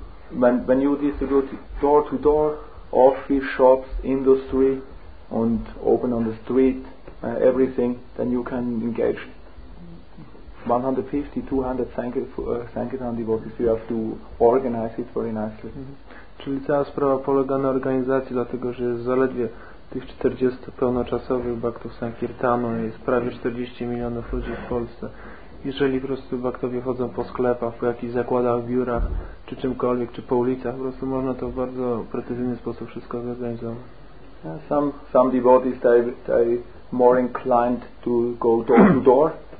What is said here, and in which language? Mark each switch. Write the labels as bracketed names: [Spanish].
[English] When you used to go door to door, office, shops, industry, and open on the street, everything, then you can engage 150-200 Sankirtan devotees. You have to organize it very nicely. Mm-hmm. [Polish] Czyli cała sprawa polega na organizacji, dlatego że jest zaledwie tych 40 pełnoczasowych baktów Sankirtanu i jest prawie 40 milionów ludzi w Polsce. Jeżeli po prostu baktowie chodzą po sklepach, po jakichś zakładach, biurach, czy czymkolwiek, czy po ulicach, po prostu można to w bardzo precyzyjny sposób wszystko zorganizować. [English] Some devotees they more inclined to go door to door.